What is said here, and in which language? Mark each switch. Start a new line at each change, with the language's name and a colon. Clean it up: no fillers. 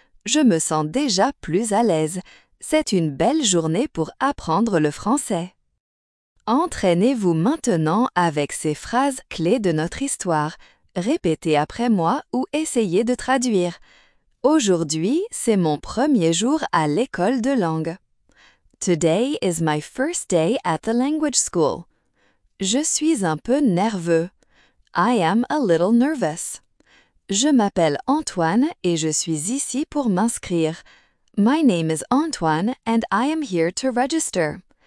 French: Je me sens déjà plus à l'aise. C'est une belle journée pour apprendre le français. Entraînez-vous maintenant avec ces phrases clés de notre histoire. Répétez après moi ou essayez de traduire. Aujourd'hui, c'est mon premier jour à l'école de langue.
English: Today is my first day at the language school.
French: Je suis un peu nerveux.
English: I am a little nervous.
French: Je m'appelle Antoine et je suis ici pour m'inscrire.
English: My name is Antoine and I am here to register.